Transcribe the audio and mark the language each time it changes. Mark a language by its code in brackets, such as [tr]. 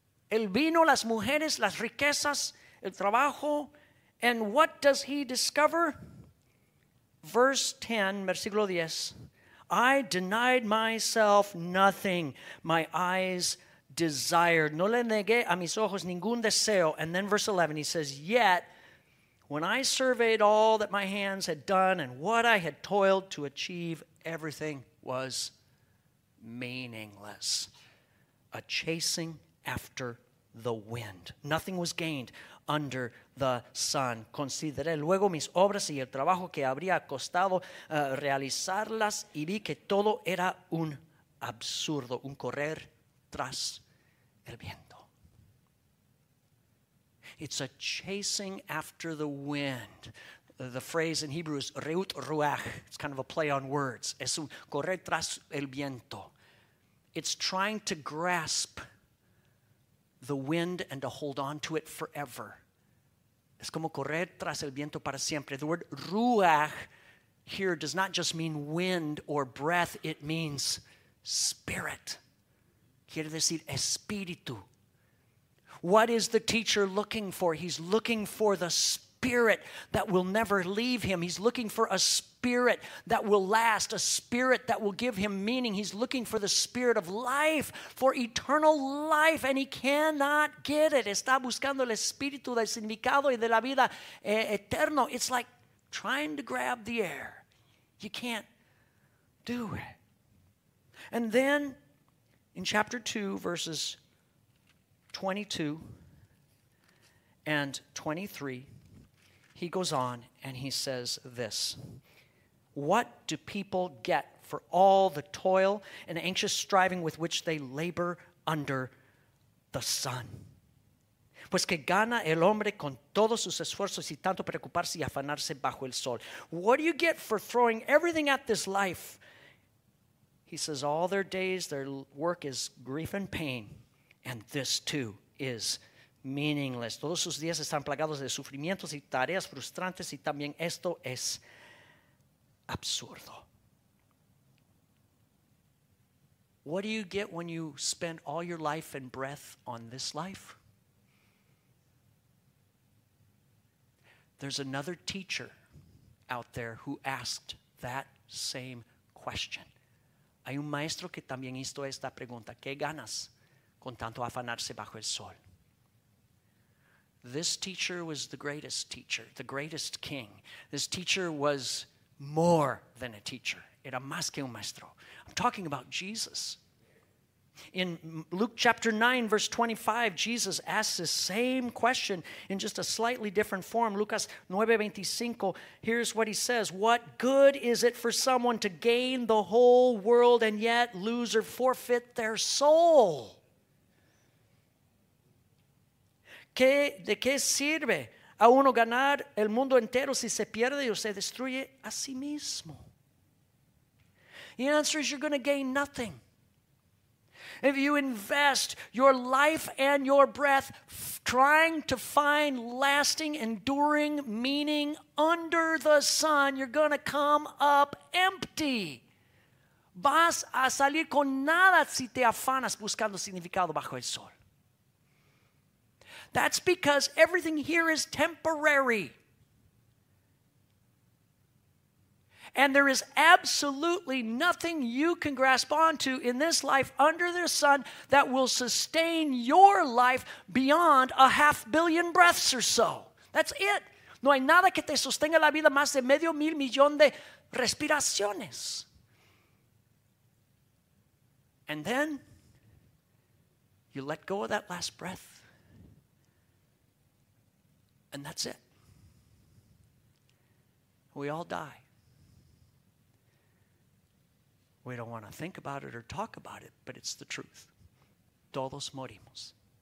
[es] El vino, las mujeres, las riquezas, el trabajo. [en] And what does he discover? Verse 10, [es] versículo 10. [en] I denied myself nothing, my eyes desired. [es] No le negué a mis ojos ningún deseo. [en] And then verse 11, he says, yet when I surveyed all that my hands had done and what I had toiled to achieve, everything was meaningless. A chasing after the wind. Nothing was gained under the sun. [es] Consideré luego mis obras y el trabajo que habría costado realizarlas y vi que todo era un absurdo, un correr tras el viento. [en] It's a chasing after the wind. The phrase in Hebrew is reut ruach. It's kind of a play on words. [es] Es un correr tras el viento. [en] It's trying to grasp the wind and to hold on to it forever. [es] Es como correr tras el viento para siempre. [en] The word ruach here does not just mean wind or breath. It means spirit. [es] Quiere decir espíritu. [en] What is the teacher looking for? He's looking for the spirit that will never leave him. He's looking for a spirit that will last, a spirit that will give him meaning. He's looking for the spirit of life, for eternal life, and he cannot get it. [es] Está buscando el espíritu del significado y de la vida eterno. [en] It's like trying to grab the air. You can't do it. And then in chapter 2, verses 22 and 23, he goes on and he says this. What do people get for all the toil and anxious striving with which they labor under the sun? [es] Pues que gana el hombre con todos sus esfuerzos y tanto preocuparse y afanarse bajo el sol. [en] What do you get for throwing everything at this life? He says all their days, their work is grief and pain, and this too is meaningless. [es] Todos sus días están plagados de sufrimientos y tareas frustrantes, y también esto es absurdo. [en] What do you get when you spend all your life and breath on this life? There's another teacher out there who asked that same question. [es] Hay un maestro que también hizo esta pregunta. ¿Qué ganas con tanto afanarse bajo el sol? [en] This teacher was the greatest teacher, the greatest king. This teacher was more than a teacher. [es] Era más que un maestro. [en] I'm talking about Jesus. In Luke chapter 9, verse 25, Jesus asks the same question in just a slightly different form. [es] Lucas 9, 25, here's what he says. [en] What good is it for someone to gain the whole world and yet lose or forfeit their soul? [es] ¿De qué sirve a uno ganar el mundo entero si se pierde o se destruye a sí mismo? [en] The answer is you're going to gain nothing. If you invest your life and your breath trying to find lasting, enduring meaning under the sun, you're going to come up empty. [es] Vas a salir con nada si te afanas buscando significado bajo el sol. [en] That's because everything here is temporary. And there is absolutely nothing you can grasp onto in this life under the sun that will sustain your life beyond a half billion breaths or so. That's it. [es] No hay nada que te sostenga la vida más de medio mil millón de respiraciones. [en] And then you let go of that last breath. And that's it. We all die. We don't want to think about it or talk about it, but it's the truth. [es] Todos morimos.